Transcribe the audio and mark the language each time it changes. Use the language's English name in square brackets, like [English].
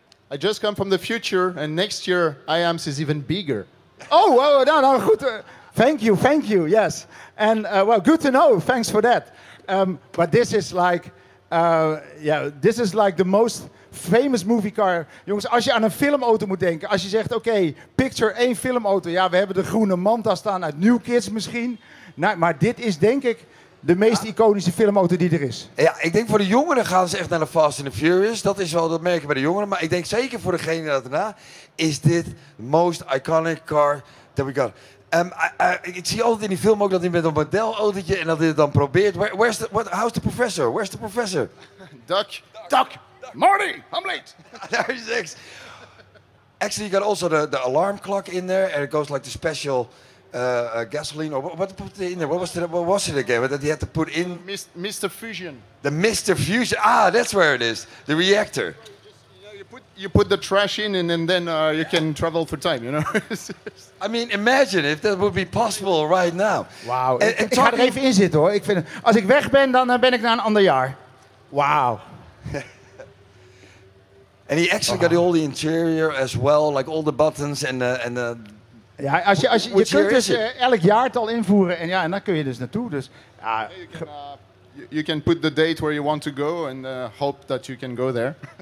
[English] I just come from the future and next year IAMS is even bigger. Oh, well, no, goed. Thank you, yes. And well, good to know, thanks for that. But this is like, this is like the most famous movie car. [Dutch] Jongens, als je aan een filmauto moet denken, als je zegt, oké, picture één filmauto. Ja, we hebben de groene Manta staan uit New Kids misschien. Nou, maar dit is denk ik de meest iconische filmauto die er is. Ja, ik denk voor de jongeren gaan ze echt naar de Fast and the Furious. Dat is wel, dat merken bij de jongeren. Maar ik denk zeker voor degene daarna is dit de [English] most iconic car that we got. [Dutch] Ik zie altijd in die film ook dat hij met een modelautootje en dat hij het dan probeert. [English] Where's the professor? Duck. Marty, I'm late. There he is. Actually, you got also the alarm clock in there, and it goes like the special gasoline. What put in there? What was it again? That he had to put in. Mr. Fusion. The Mr. Fusion. Ah, that's where it is. The reactor. You put the trash in, and then you can travel through time. You know. I mean, imagine if that would be possible right now. Wow. [Dutch] Ik ga er even in zitten, hoor. Ik vind, als ik weg ben, dan ben ik naar een ander jaar. [English] Wow. And he actually got all the interior as well, like all the buttons and the... [Dutch] Ja, je kunt dus elk jaartal invoeren en ja, en dan kun je dus naartoe. Dus, ja, [English] you can put the date where you want to go and hope that you can go there.